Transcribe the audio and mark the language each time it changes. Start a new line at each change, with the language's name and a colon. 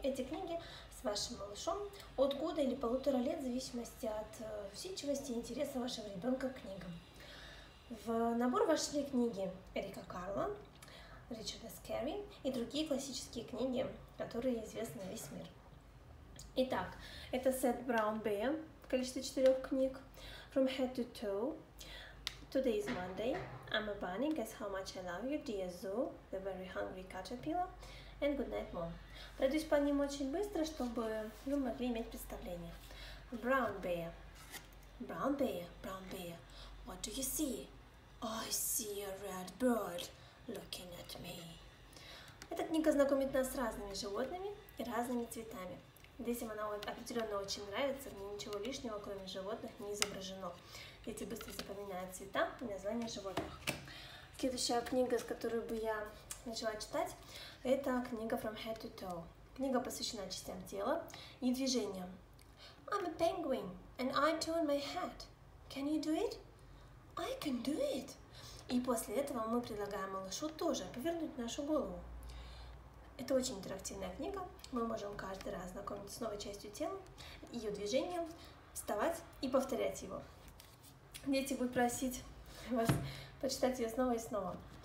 Russian: Эти книги с вашим малышом от года или полутора лет, в зависимости от усидчивости и интереса вашего ребенка к книгам. В набор вошли книги Эрика Карла, Ричарда Скерри и другие классические книги, которые известны на весь мир. Итак, это сет Brown Bear, количество 4 книг, From Head to Toe, Today is Monday, I'm a Bunny, Guess How Much I Love You, Dear Zoo, The Very Hungry Caterpillar, and Good Night Mom. Пройдусь по ним очень быстро, чтобы вы могли иметь представление.
English: Brown Bear, Brown Bear, Brown Bear, what do you see? I see a red bird looking at me.
Russian: Эта книга знакомит нас с разными животными и разными цветами. Детям она определенно очень нравится, мне ничего лишнего, кроме животных, не изображено. Дети быстро запоминают цвета и названия животных. Следующая книга, с которой бы я начала читать, это книга From Head to Toe. Книга посвящена частям тела и движениям.
English: I'm a penguin, and I turn my head. Can you do it? I can do it.
Russian: И после этого мы предлагаем малышу тоже повернуть нашу голову. Это очень интерактивная книга. Мы можем каждый раз знакомиться с новой частью тела, ее движением, вставать и повторять его. Дети будут просить вас почитать ее снова и снова.